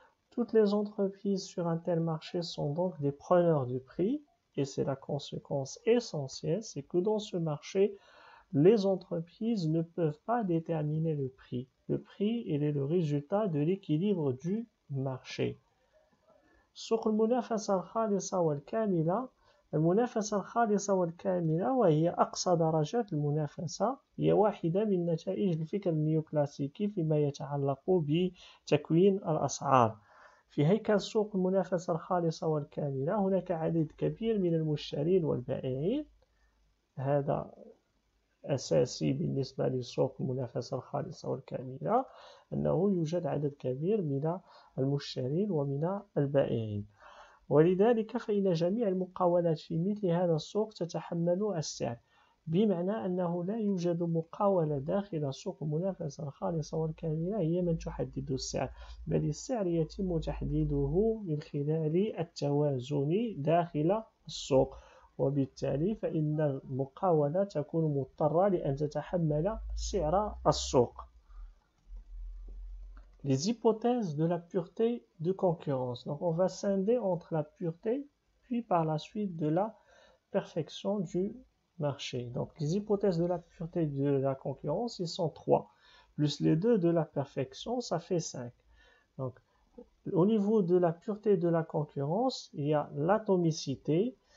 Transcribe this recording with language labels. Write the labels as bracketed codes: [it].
[fr] Toutes les entreprises sur un tel marché sont donc des preneurs de prix, et c'est la conséquence essentielle, c'est que dans ce marché, les entreprises ne peuvent pas déterminer le prix. Le prix, il est le résultat de l'équilibre du marché. [ar] سوق المنافسة الخالصة والكاملة المنافسة الخالصة والكاملة وهي أقصى درجات المنافسة هي واحدة من نتائج الفكر النيوكلاسيكي فيما يتعلق بتكوين الأسعار. في هيكل سوق المنافسة الخالصة والكاملة هناك عدد كبير من المشترين والبائعين هذا أساسي بالنسبة لسوق المنافسة الخالصة والكاملة أنه يوجد عدد كبير من المشترين ومن البائعين ولذلك فإن جميع المقاولات في مثل هذا السوق تتحمل السعر بمعنى أنه لا يوجد مقاولة داخل سوق المنافسة الخالصة والكاملة هي من تحدد السعر بل السعر يتم تحديده من خلال التوازن داخل السوق وبالتالي فإن المقاولة تكون مضطرة لأن تتحمل سعر السوق Les hypothèses de la pureté de concurrence. [fr] Donc on va scinder entre la pureté puis par la suite de la perfection du marché. Donc les hypothèses de la pureté de la concurrence, ils sont 3, plus les 2 de la perfection, ça fait 5. Donc au niveau de la pureté de la concurrence, il y a l'atomicité,